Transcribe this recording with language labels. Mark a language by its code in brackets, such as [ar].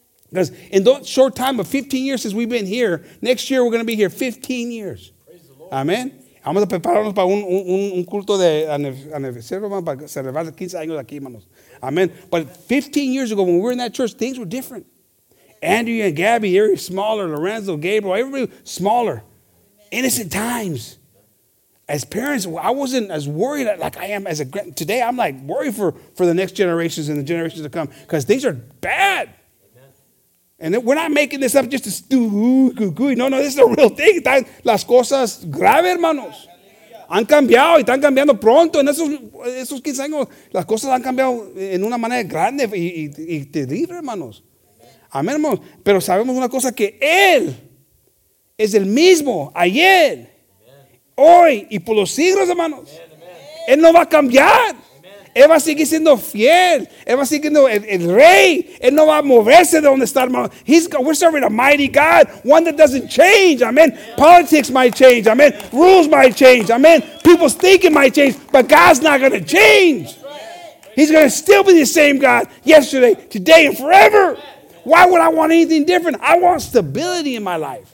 [en] Because in that short time of 15 years since we've been here, next year we're going to be here 15 years. Amen. [es] Vamos a prepararnos para un culto de aniversario, hermano, para celebrar 15 años aquí, hermanos. Amen. [en] But 15 years ago, when we were in that church, things were different. Andrew and Gabby, they're smaller. Lorenzo, Gabriel, everybody smaller. Innocent times. As parents, I wasn't as worried like I am as a grand. Today, I'm like worried for the next generations and the generations to come because things are bad. And we're not making this up just to do gooey. No, this is a real thing. [es] Las cosas graves, hermanos. Han cambiado y están cambiando pronto. En esos 15 años, las cosas han cambiado en una manera grande y terrible, hermanos. Amén, hermanos. Pero sabemos una cosa, que Él es el mismo ayer, amen, hoy y por los siglos, hermanos. Amen. Él no va a cambiar. Amen. Él va a seguir siendo fiel. Él va a seguir siendo el rey. Él no va a moverse de donde está, hermanos. [en] We're serving a mighty God, one that doesn't change. Amen. Politics might change. Amen. Rules might change. Amen. People's thinking might change, but God's not going to change. He's going to still be the same God yesterday, today, and forever. Why would I want anything different? I want stability in my life.